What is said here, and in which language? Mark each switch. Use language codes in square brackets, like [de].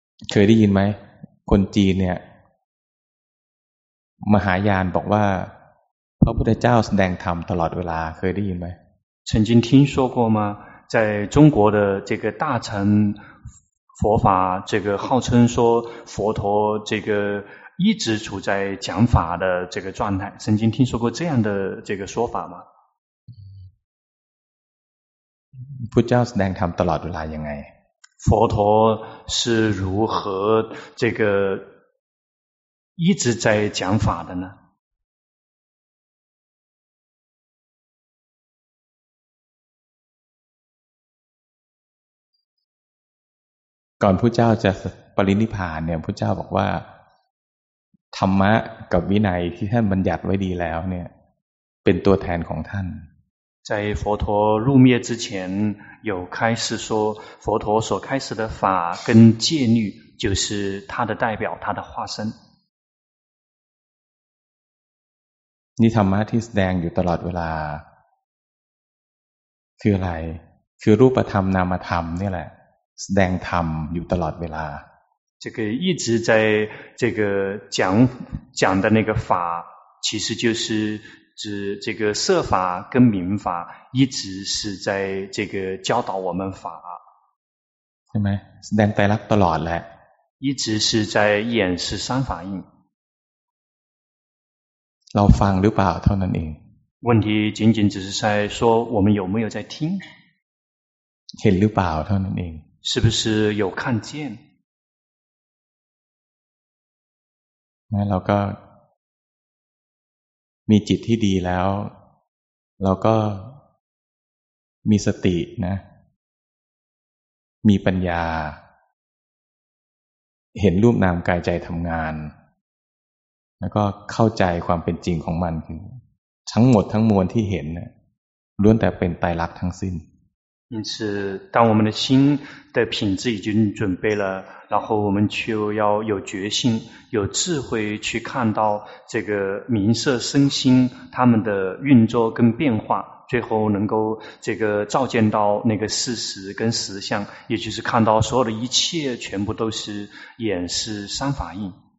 [th] เคยได้ยินไหมคนจีนเนี่ยมหายานบอกว่าพระพุทธเจ้าแสดงธรรมตลอดเวลาเคยได้ยินไหม [zh] 曾经听说过吗在中国的这个大乘佛法这个号称说佛陀这个一直处在讲法的这个状态曾经听说过这样的这个说法吗 [th] พุทธเจ้าแสดงธรรมตลอดเวลายังไง [zh] 佛陀是如何这个一直在讲法的呢 [th] ก่อนพุทธเจ้าจะปรินิพพานเนี่ยพุทธเจ้าบอกว่าธรรมะกับวินัยที่ท่านบัญญัติไว้ดีแล้วเนี่ยเป็นตัวแทนของท่าน [zh] 在佛陀入灭之前有开示说佛陀所开示的法跟戒律就是他的代表他的化身 [th] นี่ธรรมะที่แสดงอยู่ตลอดเวลาคืออะไรคือรูปธรรมนามธรรมนี่แหละแสดงธรรมอยู่ตลอดเวลา [zh] 这个一直在这个讲的那个法其实就是指这个色法跟名法一直是在这个教导我们法 [th] ใช่ไหมแสดงไตรลักษณ์ตลอดแหละ [zh] 一直是在演示三法印 [th] เราฟังหรือเปล่าเท่านั้นเอง [zh] 问题仅仅只是在说我们有没有在听 [th] เห็นหรือเปล่าเท่านั้นเอง [zh] 是不是有看见 [th] นะเราก็มีจิตที่ดีแล้วเราก็มีสตินะมีปัญญาเห็นรูปนามกายใจทำงานแล้วก็เข้าใจความเป็นจริงของมันคือทั้งหมดทั้งมวลที่เห็นล้วนแต่เป็นไตรลักษณ์ทั้งสิ้น [zh] 因此当我们的心的品质已经准备了然后我们就要有决心有智慧去看到这个名色身心他们的运作跟变化最后能够这个照见到那个事实跟实相也就是看到所有的一切全部都是演示三法印